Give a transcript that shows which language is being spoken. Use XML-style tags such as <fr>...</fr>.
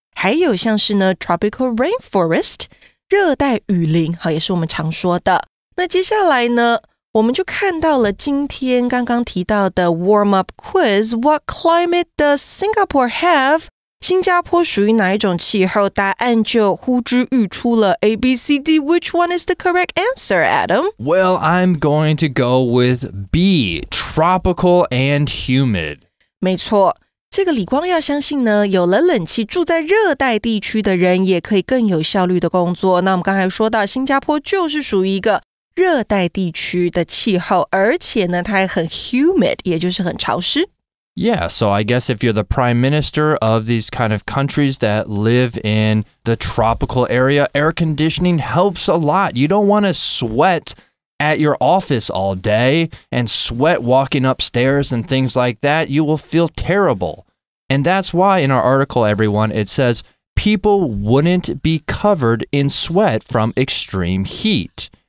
<zh>还有像是呢 tropical rainforest 热带雨林，好，也是我们常说的。那接下来呢，我们就看到了今天刚刚提到的 warm up quiz。</zh> <en>What climate does Singapore have?</en> <zh>新加坡属于哪一种气候？答案就呼之欲出了。</zh> <en>A, B, C, D, which one is the correct answer, Adam? Well, I'm going to go with B, tropical and humid.</en> <zh>没错，这个李光耀相信呢，有了冷气，住在热带地区的人也可以更有效率的工作。那我们刚才说到，新加坡就是属于一个热带地区的气候，而且呢，它还很 humid, 也就是很潮湿。</zh> <en>Yeah, so I guess if you're the prime minister of these kind of countries that live in the tropical area, air conditioning helps a lot. You don't want to sweat at your office all day and sweat walking upstairs and things like that. You will feel terrible. And that's why in our article, everyone, it says people wouldn't be covered in sweat from extreme heat.</en>